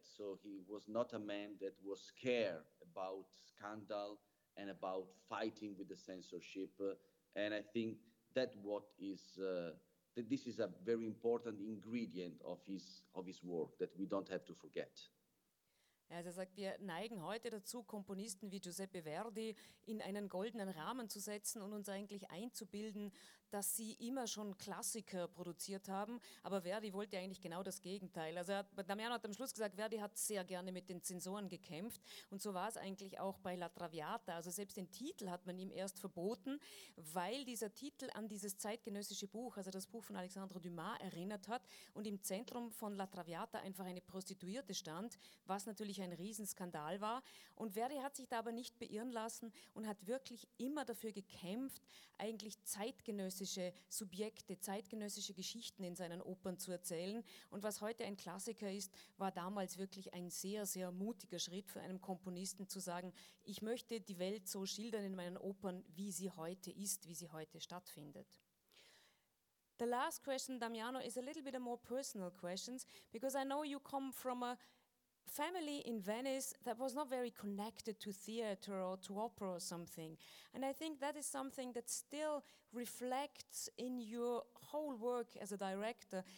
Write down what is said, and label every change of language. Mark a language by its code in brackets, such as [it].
[en] So he was not a man that was scared about scandal and about fighting with the censorship. And I think that what is that this is a very important ingredient of his work that we don't have to forget. [de] Also er sagt, wir neigen heute dazu, Komponisten wie Giuseppe Verdi in einen goldenen Rahmen zu setzen und uns eigentlich einzubilden, dass sie immer schon Klassiker produziert haben. Aber Verdi wollte eigentlich genau das Gegenteil. Also Damiano hat am Schluss gesagt, Verdi hat sehr gerne mit den Zensoren gekämpft. Und so war es eigentlich auch bei La Traviata. Also selbst den Titel hat man ihm erst verboten, weil dieser Titel an dieses zeitgenössische Buch, also das Buch von Alexandre Dumas, erinnert hat und im Zentrum von La Traviata einfach eine Prostituierte stand, was natürlich ein Riesenskandal war. Und Verdi hat sich da aber nicht beirren lassen und hat wirklich immer dafür gekämpft, eigentlich zeitgenössische Subjekte, zeitgenössische Geschichten in seinen Opern zu erzählen. Und was heute ein Klassiker ist, war damals wirklich ein sehr, sehr mutiger Schritt für einen Komponisten zu sagen, ich möchte die Welt so schildern in meinen Opern, wie sie heute ist, wie sie heute stattfindet. [en] The last question, Damiano, is a little bit a more personal questions, because I know you come from a family in Venice that was not very connected to theater or to opera or something. And I think that is something that still reflects in your whole work as a director.